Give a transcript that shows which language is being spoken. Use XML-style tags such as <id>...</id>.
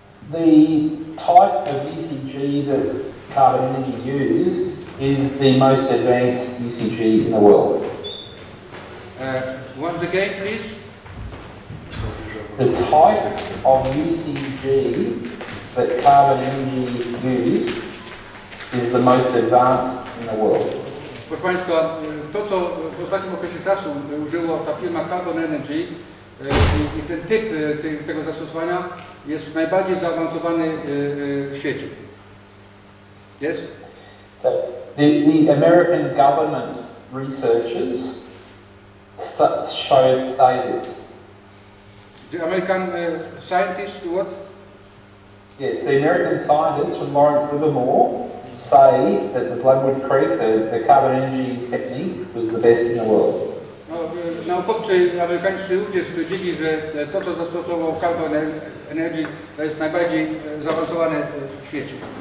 <en>The type of ECG that Carbon Energy uses is the most advanced ECG in the world. Once again, please. The type of ECG that Carbon Energy uses is the most advanced in the world.</en> <pl>Proszę Państwa, to co w ostatnim okresie czasu użyła ta firma Carbon Energy i ten typ tego zastosowania jest najbardziej zaawansowany w świecie.</pl> <en>Yes? The American government researchers say this. The American scientists what? Yes, the American scientists from Lawrence Livermore say that the Bloodwood Creek, the carbon energy technique, was the best in the world.</en> <pl>Naukowcy amerykańscy również stwierdzili, że to, co zastosował Carbon Energy, to jest najbardziej zaawansowane w świecie.</pl>